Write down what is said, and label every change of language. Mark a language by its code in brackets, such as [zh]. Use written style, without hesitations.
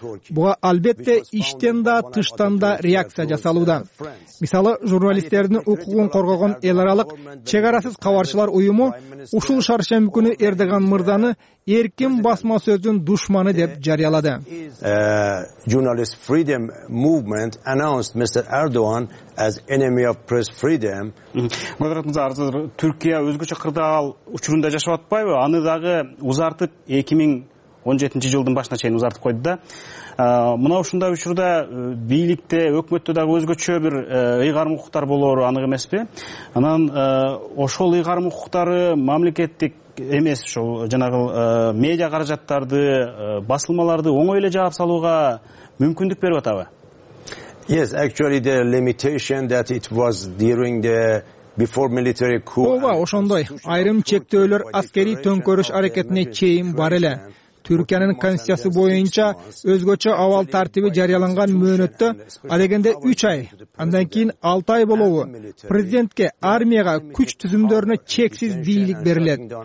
[ky] Буга албетте иштен да тыштан да реакция жасалууда. Мисалы, журналисттердин укугун коргогон эл аралык чек арасыз кабарчылар уюму ушул шаршемби күнү Эрдоган мырзаны эркин басма сөздүн душманы деп жарыялады. [en] Journalist Freedom Movement announced Mr. Erdogan as enemy of press freedom. [ky] Түркия өзгөчө кырдаал учурунда жашап атпайбы? Аны дагы узартып 2017 жылдын башына чейин узартып койду да. Мына ушундай учурда бийликте, өкмөттө дагы өзгөчө бир ыйгарым укуктар болору анык эмеспи? Анан ошол ыйгарым укуктары мамлекеттик эмес ошол жанагыл медиа каражаттарды, басылмаларды оңой эле жаап салууга мүмкүндүк берип атабы? [en] Yes, actually the limitation that it was during the before military coup. [ky] Ооба, ошондой. Айрым чектөөлөр аскерий төңкөрүш аракетине чейин бар эле. Түркиянын конституциясы боюнча өзгөчө абал тартиби жарыяланган мөөнөттө ал дегенде 3 ай, андан кийин 6 ай болобу президентке, армияга, күч түзүмдөрүнө чексиз бийлик берилет.